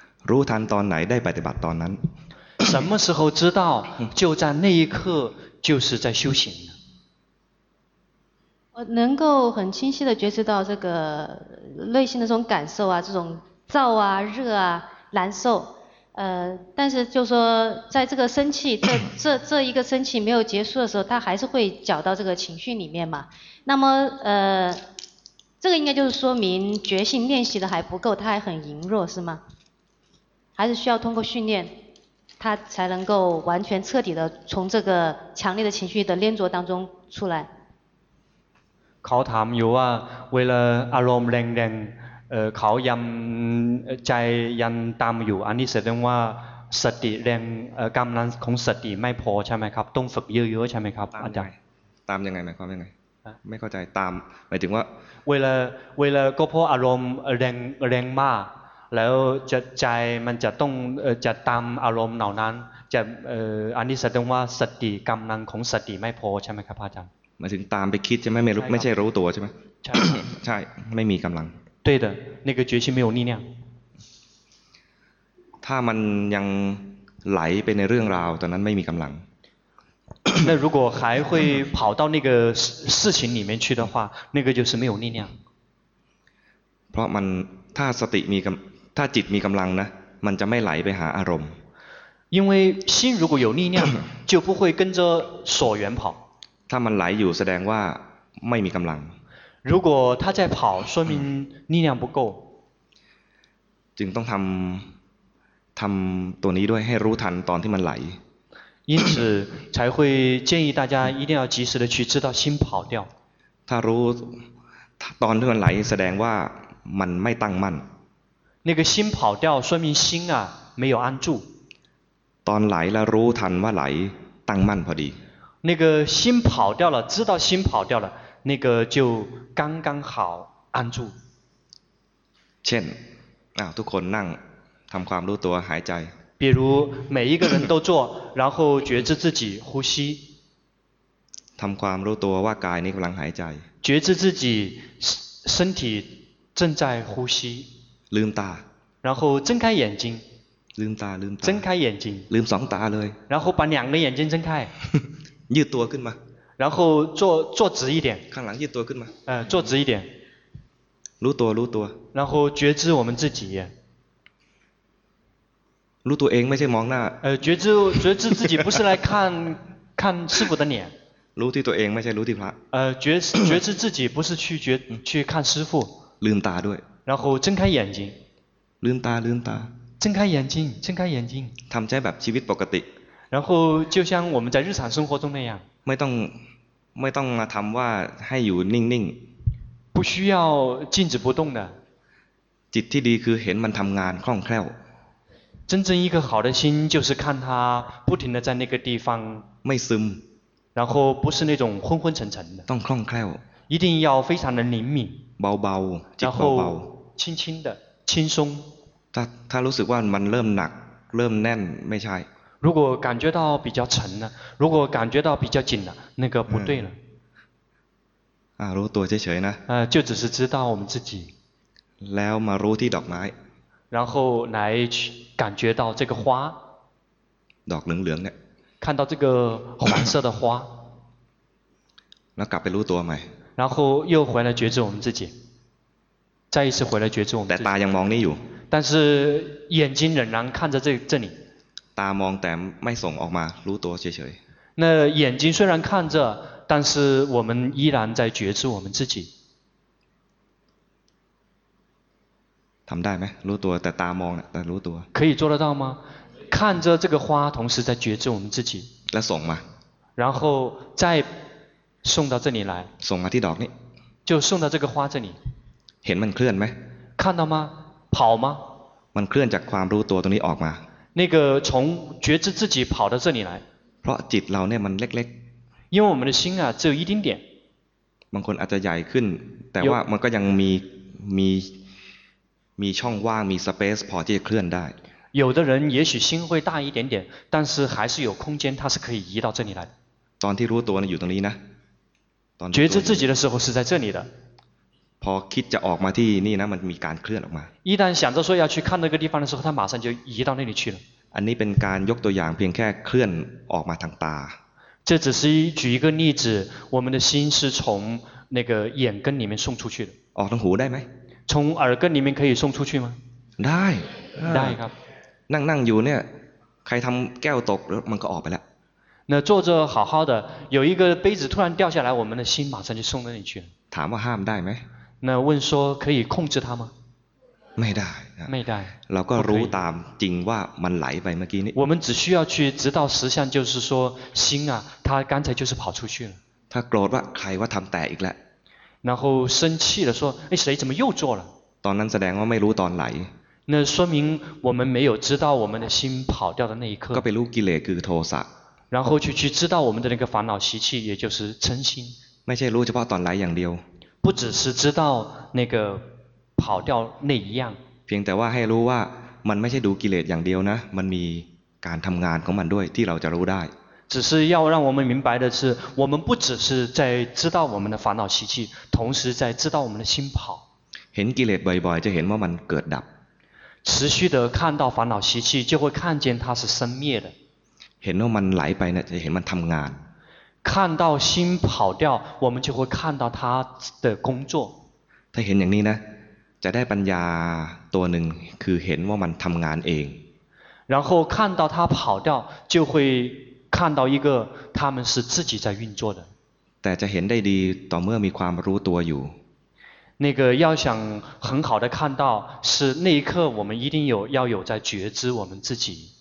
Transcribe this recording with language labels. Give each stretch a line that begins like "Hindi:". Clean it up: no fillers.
Thai: รู้ทันตอนไหนได้ปฏิบัติตอนนั้น
Chinese: 什么时候知道就在那一刻就是在修行我能够很清晰的觉知到这个内心的这种感受啊这种燥啊热啊难受但是就说在这个生气这一个生气没有结束的时候它还是会搅到这个情绪里面嘛那么这个应该就是说明觉性练习的还不够它还很羸弱是吗还是需要通过训练它才能够完全彻底的从这个强烈的情绪的黏着当中出来
Thai: เขาถามอยู่ว่าเวลาอารมณ์แรงๆเขายังใจยังตามอยู่อันนี้แสดงว่าสติแรงกำลังของสติไม่พอใช่ไหมครับต้องฝึกเยอะๆใช่ไหมครับอาจารย์ตามยังไงหมายความยังไงไม่เข้าใจตามหมายถึงว่า เวลาก็เพราะอารมณ์แรงมากแล้วจะใจมันจะต้องจะตามอารมณ์เหล่านั้นจะอันนี้แสดงว่าสติกำลังของสติไม่พอใช่ไหมครับอาจารย์ มาถึงตามไปคิดใช่ไหมไม่ใช่รู้ตัวใช่ไหม ใช่ ใช่ไม่มีกำลัง ใช่เด้อ
Chinese: 那个决心没有力量
Thai: ถ้ามันยังไหลไปในเรื่องราวตอนนั้นไม่มีกำลัง
Chinese: 那如果还会跑到那个事情里面去的话那个就是没有力量
Thai: เพราะมันถ้าสติมีถ้าจิตมีกำลังนะมันจะไม่ไหลไปหาอารมณ์
Chinese: 因为心如果有力量就不会跟着所缘跑
Thai: ถ้ามันไหลอยู่แสดงว่าไม่มีกำลัง
Chinese: 如果他在跑说明力量不够
Thai: จึงต้องทำตัวนี้ด้วยให้รู้ทันตอนที่มันไหล
Chinese: 因此才会建议大家一定要及时的去知道心跑掉
Thai: ถ้ารู้ตอนที่มันไหลแสดงว่ามันไม่ตั้งมั่น
Chinese: 那个心跑掉说明心啊没有安住
Thai: ตอนไหลแล้วรู้ทันว่าไหลตั้งมั่นพอดี
Chinese: 那个心跑掉了知道心跑掉了那个就刚刚好安住
Thai: เช่นทุกคนนั่งทำความรู้ตัวหายใจ
Chinese: 比如每一个人都做，然后觉知自己呼吸。
Thai: ทำความรู้ตัวว่ากายนี้กำลังหายใจ。
Chinese: 觉知自己身体正在呼吸。
Thai: ลืมตา。
Chinese: 然后睁开眼睛。
Thai: ลืมตาลืมตา。
Chinese: 睁开眼睛。
Thai: ลืมสองตาเลย。
Chinese: 然后把两个眼睛睁开。
Thai: ยืดตัวขึ้นมา。
Chinese: 然后坐直一点。
Thai: ข้างหลังยืดตัวขึ้นมา。
Chinese: 坐直一点。
Thai: รู้ตัวรู้ตัว。
Chinese: 然后觉知我们自己。
Thai: รู้ตัวเองไม่ใช่มองหน้า。
Chinese: 觉知自己不是来看看师傅的脸。
Thai: รู้ที่ตัวเองไม่ใช่รู้ที่พระ。
Chinese: 觉知自己不是去看师傅。
Thai: ลืมตาด้วย。
Chinese: 然后睁开眼睛。
Thai: ลืมตาลืมตา。
Chinese: 睁开眼睛。
Thai: ทำใจแบบชีวิตปกติ。
Chinese: 然后就像我们在日常生活中那样。
Thai: ไม่ต้องมาทำว่าให้อยู่นิ่งนิ่ง。
Chinese: 不需要静止不动的。
Thai: จิตที่ดีคือเห็นมันทำงานคล่องแคล่ว。
Chinese: 真正一个好的心就是看他不停的在那个地方。
Thai: ไม่ซึม。
Chinese: 然后不是那种昏昏沉沉的。
Thai: ต้องคล่องแคล่ว。
Chinese: 一定要非常的灵敏。
Thai: เบาเบาจิตเบาเบา。
Chinese: 轻轻的轻松。
Thai: ถ้ารู้สึกว่ามันเริ่มหนักเริ่มแน่นไม่ใช่
Chinese: 如果感觉到比较沉了如果感觉到比较紧了那个不对了
Thai: รู้ตัวเฉยๆนะ
Chinese: 就只是知道我们自己
Thai: แล้วมารู้ที่ดอกไม้
Chinese: 然后来感觉到这个花
Thai: ดอกเหลืองๆเนี่ย
Chinese: 看到这个黄色的花
Thai: แล้วกลับไปรู้ตัวใหม่
Chinese: 然后又回来觉知我们自己再一次回来觉知我们自己
Thai: แต่ตายังมองนี่อยู่
Chinese: 但是眼睛仍然看着这里
Thai: ตามองแต่ไม่ส่งออกมารู้ตัวเฉย
Chinese: ๆ那眼睛虽然看着但是我们依然在觉知我们自己
Thai: ทำได้ไหมรู้ตัวแต่ตามองแต่รู้ตัว
Chinese: 可以做得到吗看着这个花同时在觉知我们自己
Thai: แล้วส่งมา
Chinese: 然后再送到这里来
Thai: ส่งมาที่ดอกนี้
Chinese: 就送到这个花这里
Thai: เห็นมันเคลื่อนไหม
Chinese: 看到吗跑吗
Thai: มันเคลื่อนจากความรู้ตัวตรงนี้ออกมา
Chinese: 那个从觉知自己跑到这里来
Thai: เพราะจิตเราเนี่ยมันเล็ก
Chinese: ๆ因为我们的心啊只有一丁点
Thai: บางคนอาจจะใหญ่ขึ้นแต่ว่ามันก็ยังมีช่องว่างมีสเปซพอที่จะเคลื่อนได้
Chinese: 有的人也许心会大一点点但是还是有空间它是可以移到这里来
Thai: ตอนที่รู้ตัวอยู่ตรงนี้นะ ตอน
Chinese: 觉知自己的时候是在这里的
Thai: พอคิดจะออกมาที่นี่นะมันมีการเคลื่อนออกมา
Chinese: 一旦想着说要去看那个地方的时候它马上就移到那里去了
Thai: อันนี้เป็นการยกตัวอย่างเพียงแค่เคลื่อนออกมาทางตา
Chinese: 这只是举一个例子我们的心是从那个眼根里面送出去的
Thai: ออกทางหูได้ไหม
Chinese: 从耳根里面可以送出去吗
Thai: ได้ได้ครับ นั่งอยู่เนี่ยใครทำแก้วตกแล้วมันก็ออกไปแล้ว
Chinese: 那坐着好好的有一个杯子突然掉下来我们的心马上就送到那里去了
Thai: ถามว่าห้ามได้ไหม นั่น
Chinese: 问说可以控制它吗
Thai: ไม่ได้ เ ราก็รู้ตามจริงว่ามันไหลไปเมื่อกี้นี้
Chinese: 我们只需要去知道实相就是说心啊它刚才就是跑出去了
Thai: ถ้าโกรธว่าใครว่าทำแตกอีกแล้ว
Chinese: 然后生气了说哎谁怎么又做了
Thai: ตอนนั้นแสดงว่าไม่รู้ตอนไหล
Chinese: 那说明我们没有知道我们的心跑掉的那一刻
Thai: ก็ไปรู้กิเลสคือโทสะ
Chinese: 然后去知道我们的那个烦恼习气也就是嗔心
Thai: ไม่ใช่รู้เฉพาะตอนไหลอย่างเดียว
Chinese: 不只是知道那个跑掉那一样
Thai: เพียงแต่ว่าให้รู้ว่ามันไม่ใช่ดูกิเลสอย่างเดียวนะมันมีการทำงานของมันด้วยที่เราจะรู้ได้
Chinese: 只是要让我们明白的是我们不只是在知道我们的烦恼习气同时在知道我们的心跑
Thai: เห็นกิเลสบ่อยๆจะเห็นว่ามันเกิดดับ
Chinese: 持续的看到烦恼习气就会看见它是生灭的
Thai: เห็นว่ามันไหลไปเนี่ยจะเห็นมันทำงาน
Chinese: 看到心跑掉我们就会看到他的工作
Thai: ถ้าเห็นอย่างนี้นะจะได้ปัญญาตัวหนึ่งคือเห็นว่ามันทำงานเอง
Chinese: 然后看到他跑掉就会看到一个他们是自己在运作的
Thai: แต่จะเห็นได้ดีต่อเมื่อมีความรู้ตัวอยู่
Chinese: 那个要想很好的看到是那一刻我们一定有要有在觉知我们自己